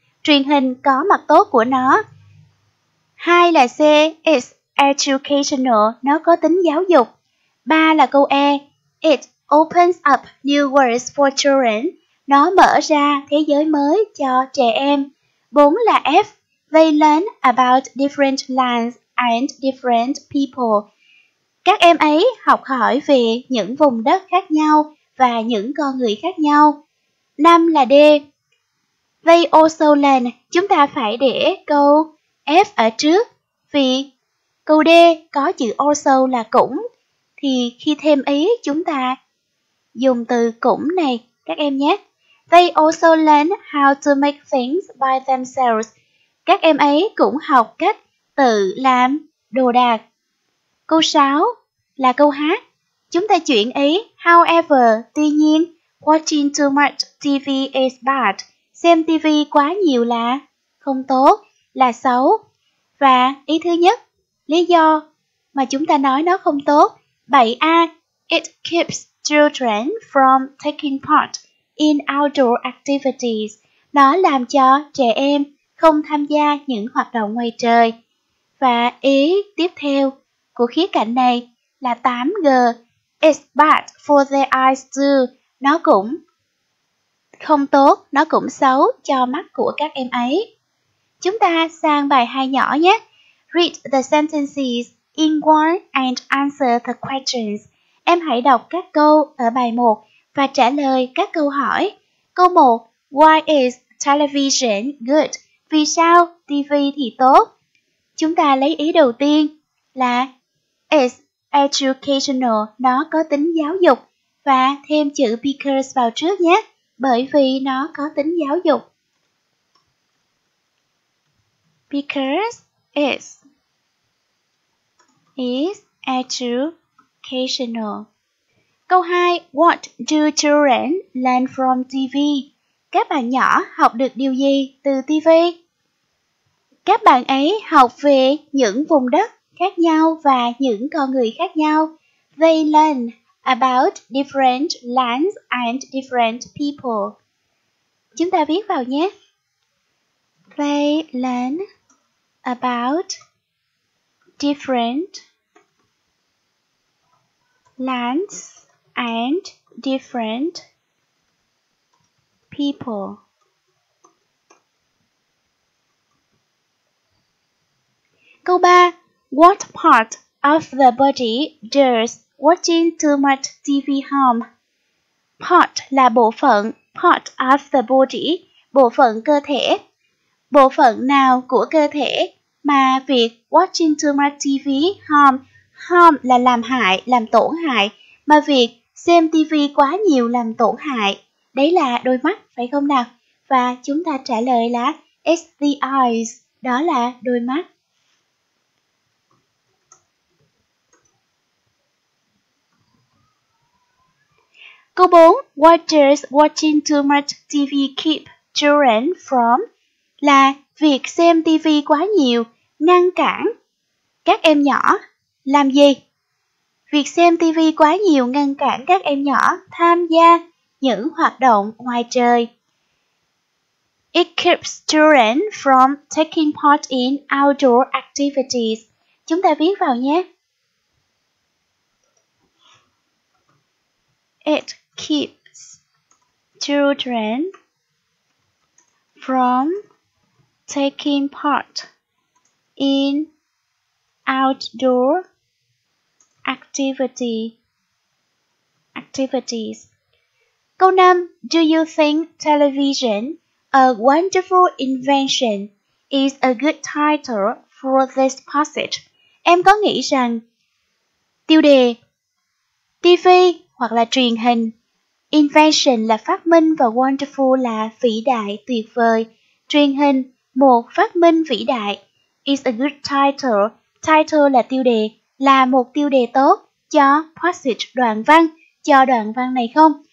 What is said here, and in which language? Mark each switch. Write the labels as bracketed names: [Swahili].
[Vietnamese] Truyền hình có mặt tốt của nó. 2 là C, [English] it's educational. [Vietnamese] Nó có tính giáo dục. 3 là câu E, [English] it opens up new worlds for children. [Vietnamese] Nó mở ra thế giới mới cho trẻ em. 4 là F, [English] they learn about different lands and different people. [Vietnamese] Các em ấy học hỏi về những vùng đất khác nhau và những con người khác nhau. 5 là D, [English] they also learn. [Vietnamese] Chúng ta phải để câu F ở trước vì câu D có chữ also là cũng. Thì khi thêm ý chúng ta dùng từ cũng này các em nhé. [English] They also learn how to make things by themselves. [Vietnamese] Các em ấy cũng học cách tự làm đồ đạc. Câu 6 là câu H. Chúng ta chuyển ý. [English] However, [Vietnamese] tuy nhiên, [English] watching too much TV is bad. [Vietnamese] Xem TV quá nhiều là không tốt, là xấu. Và ý thứ nhất, lý do mà chúng ta nói nó không tốt. [English] 7A, it keeps children from taking part in outdoor activities. [Vietnamese] Nó làm cho trẻ em không tham gia những hoạt động ngoài trời. Và ý tiếp theo của khía cạnh này là 8G. [English] It's bad for the eyes too. [Vietnamese] Nó cũng không tốt, nó cũng xấu cho mắt của các em ấy. Chúng ta sang bài 2 nhỏ nhé. [English] Read the sentences in one and answer the questions. [Vietnamese] Em hãy đọc các câu ở bài 1 và trả lời các câu hỏi. Câu 1. [English] Why is television good? [Vietnamese] Vì sao TV thì tốt? Chúng ta lấy ý đầu tiên là [English] it's educational, [Vietnamese] nó có tính giáo dục. Và thêm chữ because vào trước nhé, bởi vì nó có tính giáo dục. [English] Because it's educational. [Vietnamese] Câu 2. [English] What do children learn from TV? [Vietnamese] Các bạn nhỏ học được điều gì từ TV? Các bạn ấy học về những vùng đất khác nhau và những con người khác nhau. [English] They learn about different lands and different people. [Vietnamese] Chúng ta viết vào nhé. [English] They learn about different lands and different people. [Vietnamese] Câu 3. [English] What part of the body does watching too much TV harm? [Vietnamese] Part là bộ phận, [English] part of the body, [Vietnamese] bộ phận cơ thể. Bộ phận nào của cơ thể mà việc [English] watching too much TV harm? [Vietnamese] Harm là làm hại, làm tổn hại, mà việc xem TV quá nhiều làm tổn hại. Đấy là đôi mắt, phải không nào? Và chúng ta trả lời là [English] it's the eyes, [Vietnamese] đó là đôi mắt. Câu 4. [English] What does watching too much TV keep children from? [Vietnamese] Là việc xem TV quá nhiều ngăn cản các em nhỏ làm gì? Việc xem TV quá nhiều ngăn cản các em nhỏ tham gia những hoạt động ngoài trời. [English] It keeps children from taking part in outdoor activities. [Vietnamese] Chúng ta viết vào nhé. [English] It keeps children from taking part in outdoor activities. [Vietnamese] Câu 5. [English] Do you think television, a wonderful invention, is a good title for this passage? [Vietnamese] Em có nghĩ rằng tiêu đề TV hoặc là truyền hình, invention là phát minh và wonderful là vĩ đại, tuyệt vời. Truyền hình, một phát minh vĩ đại, [English] is a good title. [Vietnamese] Title là tiêu đề, là một tiêu đề tốt cho passage, đoạn văn, cho đoạn văn này không?